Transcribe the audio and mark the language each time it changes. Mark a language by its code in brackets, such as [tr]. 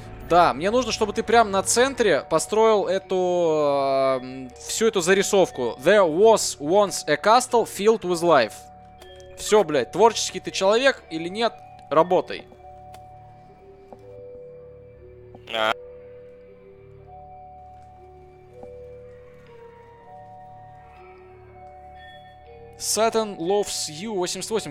[ru] Да, мне нужно, чтобы ты прямо на центре построил эту... всю эту зарисовку. [en] There was once a castle filled with life. [ru] Все, блядь, творческий ты человек или нет? Работай. [en] Satan loves you 88.